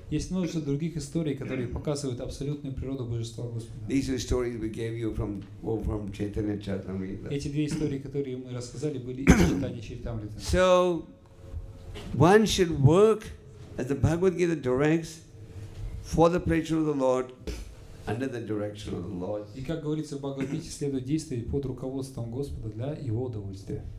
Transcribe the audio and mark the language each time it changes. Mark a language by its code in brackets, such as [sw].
[ru] Есть множество других историй, которые показывают абсолютную природу Божества Господа. [en] These stories we gave you from Chaitanya Charitamrita. [ru] Эти две истории, которые мы рассказали, были из Чайтаньи Чаритамриты. [en] So one should work as the Bhagavad Gita directs for the pleasure of the Lord under the direction of the Lord. [ru] И как говорится в Бхагавад Гите, следует действовать под руководством Господа для Его удовольствия.